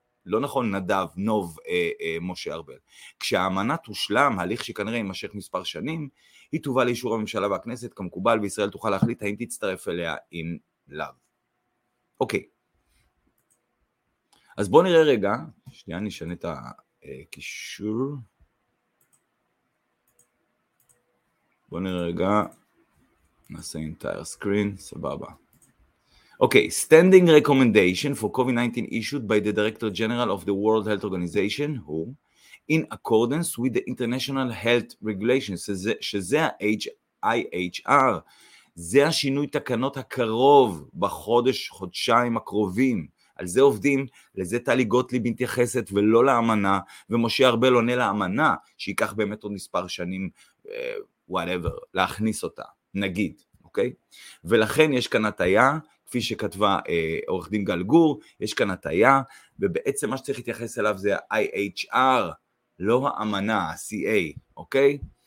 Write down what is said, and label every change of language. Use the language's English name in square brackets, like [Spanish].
[Hebrew] לא נכון, נדב, נוב, משה ארבל. כשהאמנה תושלם, הליך שכנראה יימשך מספר שנים, היא תובה לאישור הממשלה והכנסת, כמקובל, וישראל תוכל להחליט האם תצטרף אליה עם לב. אוקיי. אז בוא נראה רגע, שנייה נשנה את הקישור. בוא נראה רגע, נעשה entire screen, סבבה. [English] Okay, standing recommendation for COVID-19 issued by the Director General of the World Health Organization, who, in accordance with the International Health Regulations, [Hebrew] שזה ה-IHR, זה השינוי תקנות הקרוב בחודש, חודשיים הקרובים. על זה עובדים, לזה טלי גוטליב מתייחסת ולא לאמנה, ומשה ארבל עונה לאמנה, שיקח באמת עוד מספר שנים, whatever, להכניס אותה, נגיד, okay? ולכן יש כאן הטעיה, כפי שכתבה עורך דין גל גור, יש כאן הטעיה, ובעצם מה שצריך להתייחס אליו זה ה-IHR, לא האמנה, ה-CA, אוקיי?